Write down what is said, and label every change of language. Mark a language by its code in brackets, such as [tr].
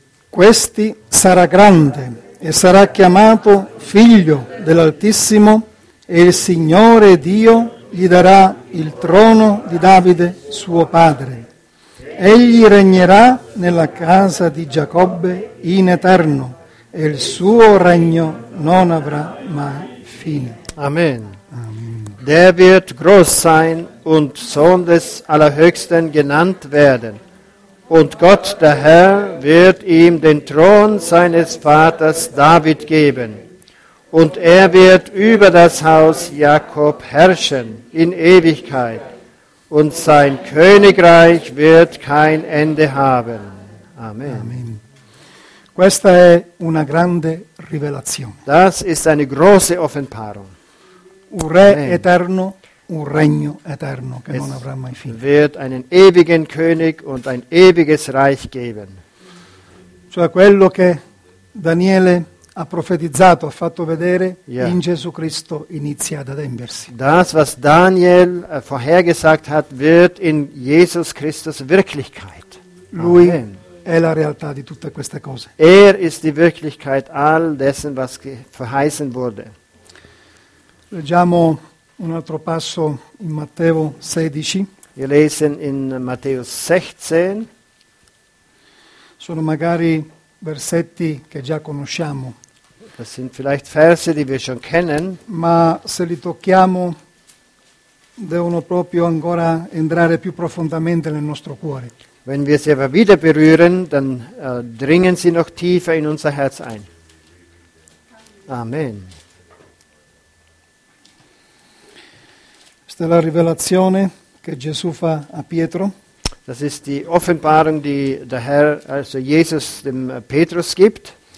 [it] Questi sarà grande e sarà chiamato figlio dell'Altissimo e il Signore Dio gli darà il trono di Davide, suo padre. Egli regnerà nella casa di Giacobbe in eterno e il suo regno non avrà mai fine. Amen. Amen. [de] Der wird groß sein und Sohn des Allerhöchsten genannt werden. Und Gott, der Herr, wird ihm den Thron seines Vaters David geben. Und er wird über das Haus Jakob herrschen in Ewigkeit. Und sein Königreich wird kein Ende haben. Amen. Amen. [it] Questa è una grande rivelazione. [de] Das ist eine große Offenbarung. [it] Un re eterno, un regno eterno, che non avrà mai fine. [de] Es wird einen ewigen König und ein ewiges Reich geben. [it] Cioè quello che Daniele ha profetizzato, ha fatto vedere, yeah, in Gesù Cristo inizia ad adempersi. [de] Das, was Daniel vorhergesagt hat, wird in Jesus Christus Wirklichkeit. [it] Lui, Amen, è la realtà di tutte queste cose. [de] Er ist die Wirklichkeit all dessen, was verheißen wurde. [it] Leggiamo un altro passo in Matteo 16. [de] Wir lesen in Matteo 16. [it] Sono magari versetti che già conosciamo. [de] Das sind vielleicht Verse, die wir schon kennen. [it] Ma se li tocchiamo, devono proprio ancora entrare più profondamente nel nostro cuore. [de] Wenn wir sie aber wieder berühren, dann dringen sie noch tiefer in unser Herz ein. Amen. [it] Questa è la rivelazione che Gesù fa a Pietro. [de] Das ist die Offenbarung, die der Herr, also Jesus, dem Petrus gibt.